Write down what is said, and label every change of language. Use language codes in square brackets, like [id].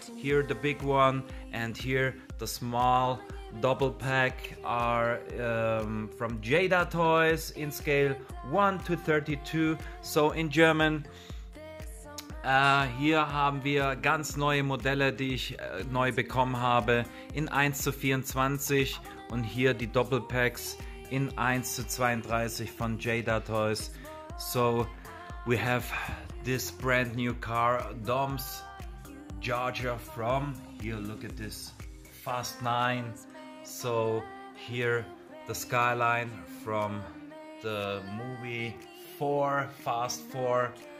[en] Here the big one and here the small double pack are from Jada toys in scale 1 to 32. So in German, [de] hier haben wir ganz neue Modelle, die ich neu bekommen habe, in 1 zu 24 und hier die Doppelpacks in 1 zu 32 von Jada Toys. [en] So, we have this brand new car, Dom's Georgia from, here look at this, Fast 9. So, here the skyline from the movie 4, Fast 4.